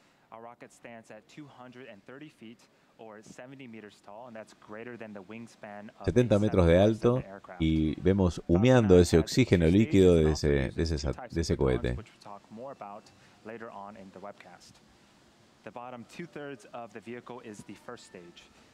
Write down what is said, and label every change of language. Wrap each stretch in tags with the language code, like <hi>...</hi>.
<en>Our rocket stands at 230 feet or 70 meters tall, and that's greater than the wingspan of</en> <es>70 metros de alto, y vemos humeando ese oxígeno líquido de ese cohete.</es> <en>Which we'll talk more about later on in the webcast. The bottom two-thirds of the vehicle is the first stage.</en>